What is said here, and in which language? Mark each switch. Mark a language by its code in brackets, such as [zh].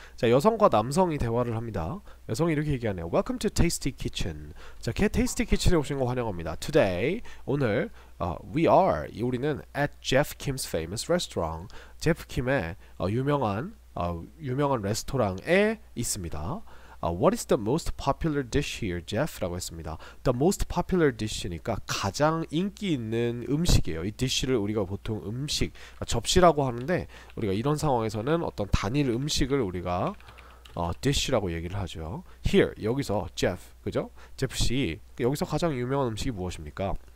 [ko] 자, 여성과 남성이 대화를 합니다. 여성이 이렇게 얘기하네요. [en] Welcome to Tasty Kitchen. [ko] 자, 케 테이스티 키친에 오신 거 환영합니다. [en] Today, [ko] 오늘, [en] we are, [ko] 우리는 [en] at Jeff Kim's famous restaurant. [ko] 제프 킴의 유명한 레스토랑에 있습니다. [en] What is the most popular dish here, Jeff? [ko] 라고 했습니다. [en] The most popular dish [ko] 니까 가장 인기 있는 음식이에요. 이 dish를 우리가 보통 음식, 접시라고 하는데 우리가 이런 상황에서는 어떤 단일 음식을 우리가 dish라고 얘기를 하죠. [en] Here, [ko] 여기서 Jeff, 그죠? Jeff 씨, 여기서 가장 유명한 음식이 무엇입니까?